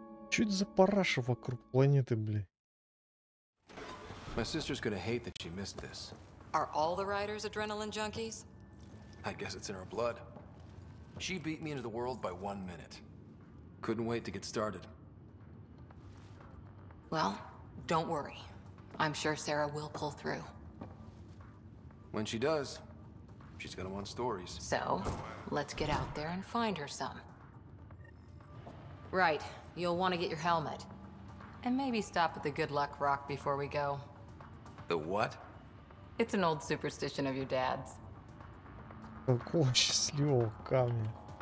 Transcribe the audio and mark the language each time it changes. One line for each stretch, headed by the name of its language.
Russian: Что это за параша вокруг планеты, блин?
English: My sister's gonna hate that she missed this. Are all the riders adrenaline junkies? I guess it's in her blood. She beat me into the world by 1 minute. Couldn't wait to get started. Well, don't worry. I'm sure Sarah will pull through. When she does, she's gonna want stories. So, let's get out there and find her some. Right, you'll want to get your helmet. And maybe stop at the good luck rock before we go. The what? It's an old superstition of your dad's.
Russian: Какого счастливого камня.